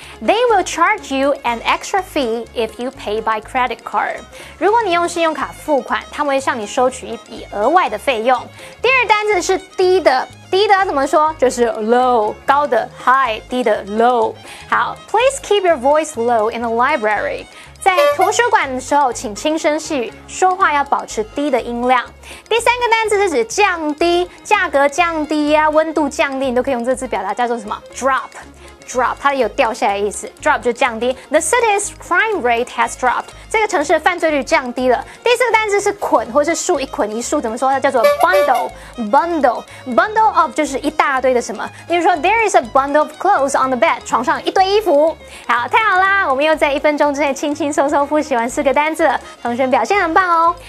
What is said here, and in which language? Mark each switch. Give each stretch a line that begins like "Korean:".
English: They will charge you an extra fee if you pay by credit card.
Chinese: 如果你用信用卡付款，他们会向你收取一笔额外的费用。第二单字是低的，低的怎么说？就是 low， 高的 high， 低的 low。
English: 好 ，Please keep your voice low in the library.
Chinese: 在图书馆的时候，请轻声细语，说话要保持低的音量。第三个单字是指降低，价格降低啊，温度降低，你都可以用这字表达，叫做什么 ？Drop。 Drop， 它有掉下来的意思。Drop 就降低。
English: The city's crime rate has dropped.
Chinese: 这个城市的犯罪率降低了。第四个单字是捆，或是束，一捆一束，怎么说？它叫做 bundle。Bundle of 就是一大堆的什么？例如说
English: ，There is a bundle of clothes on the bed.
Chinese: 床上一堆衣服。好，太好啦！我们又在一分钟之内轻轻松松复习完四个单字了，同学表现很棒哦。